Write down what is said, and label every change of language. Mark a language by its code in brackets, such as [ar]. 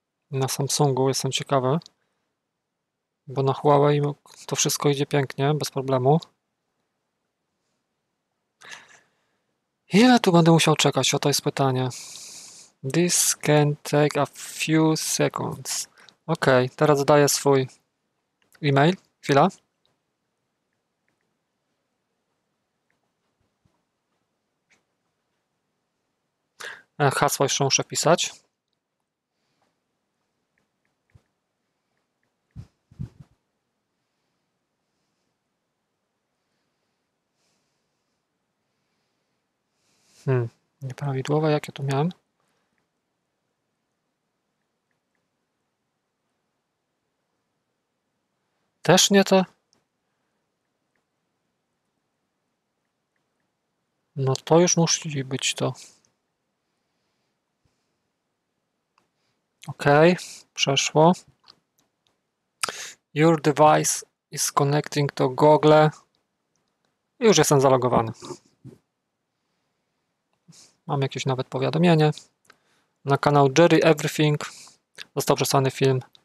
[pl] Na Samsungu jestem ciekawy, bo na Huawei to wszystko idzie pięknie, bez problemu. Ile tu będę musiał czekać? Oto jest pytanie. [en] This can take a few seconds. [pl] OK, teraz daję swój e-mail. Chwila. Hasło jeszcze muszę wpisać. Nieprawidłowe, jakie tu miałem? Też nie te. No to już musi być to. OK, przeszło. [en] Your device is connecting to Google. [pl] Już jestem zalogowany. Mam jakieś nawet powiadomienie. Na kanał Jerry Everything został przesłany film